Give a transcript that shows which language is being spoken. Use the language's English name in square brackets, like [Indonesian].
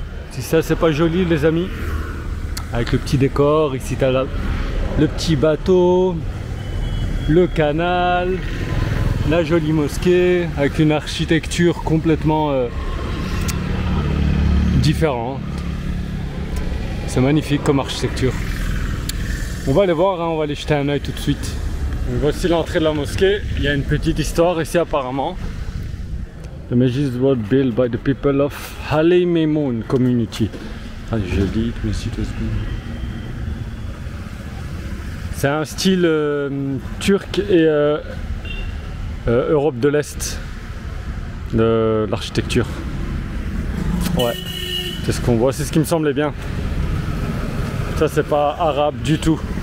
[French] Si ça, c'est pas joli, les amis, avec le petit décor, ici t'as le petit bateau, le canal, la jolie mosquée, avec une architecture complètement différente. C'est magnifique comme architecture. On va aller voir, hein, on va aller jeter un œil tout de suite. Donc, voici l'entrée de la mosquée, il y a une petite histoire ici apparemment. [English] The masjid was built by the people of Alleppey community. [French] Ah, je dis, [English] the masjid was built. [French] C'est un style turc et Europe de l'Est de l'architecture. Ouais, c'est ce qu'on voit, c'est ce qui me semblait bien. Ça, c'est pas arabe du tout.